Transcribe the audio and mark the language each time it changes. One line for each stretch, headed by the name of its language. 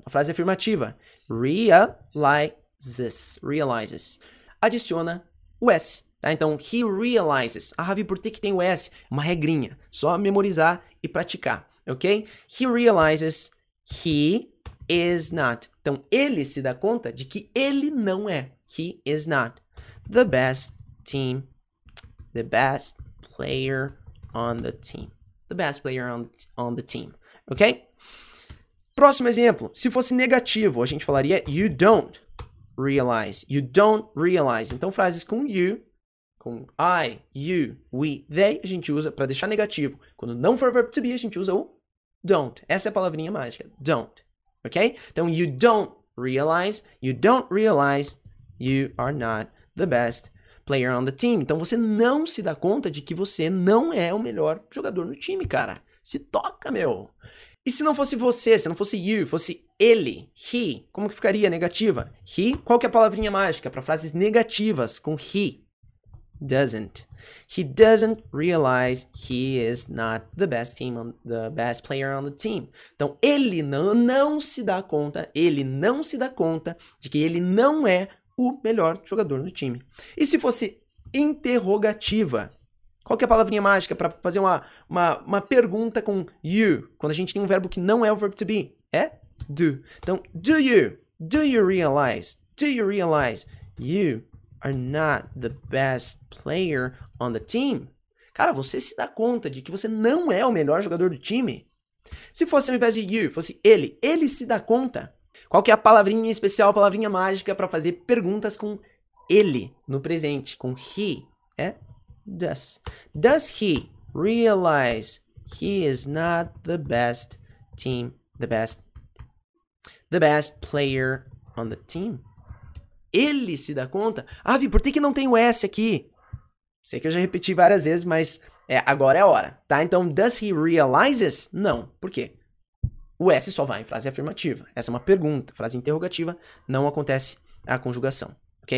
Portuguese: A frase afirmativa, realizes. Adiciona o S, tá? Então, he realizes. Ah, Ravi, por que tem o S? Uma regrinha. Só memorizar e praticar, ok?
English: He realizes he is not.
Portuguese: Então, ele se dá conta de que ele não é.
English: He is not the best team, the best player on the team. The best player on the team, ok?
Portuguese: Próximo exemplo. Se fosse negativo, a gente falaria
English: you don't. Realize. You don't realize.
Portuguese: Então, frases com you, com I, you, we, they, a gente usa para deixar negativo. Quando não for verb to be, a gente usa o don't. Essa é a palavrinha mágica. Don't. Ok?
English: Então, you don't realize. You don't realize you are not the best player on the team.
Portuguese: Então, você não se dá conta de que você não é o melhor jogador no time, cara. Se toca, meu. E se não fosse você, se não fosse you, fosse ele, he, como que ficaria negativa? He, qual que é a palavrinha mágica para frases negativas com he? Doesn't.
English: He doesn't realize he is not the best team on the best player on the team.
Portuguese: Então, ele não se dá conta, ele não se dá conta de que ele não é o melhor jogador do time. E se fosse interrogativa? Qual que é a palavrinha mágica para fazer uma pergunta com you? Quando a gente tem um verbo que não é o verbo to be, é do.
English: Então, do you realize you are not the best player on the team?
Portuguese: Cara, você se dá conta de que você não é o melhor jogador do time? Se fosse ao invés de you, fosse ele se dá conta? Qual que é a palavrinha especial, a palavrinha mágica para fazer perguntas com ele no presente, com he, é?
English: Does he realize he is not the best team, the best player on the team?
Portuguese: Ele se dá conta? Ah, Vi, por que não tem o S aqui? Sei que eu já repeti várias vezes, mas agora é a hora, tá? Então,
English: does he realizes?
Portuguese: Não. Por quê? O S só vai em frase afirmativa. Essa é uma pergunta. Frase interrogativa, não acontece a conjugação. Ok?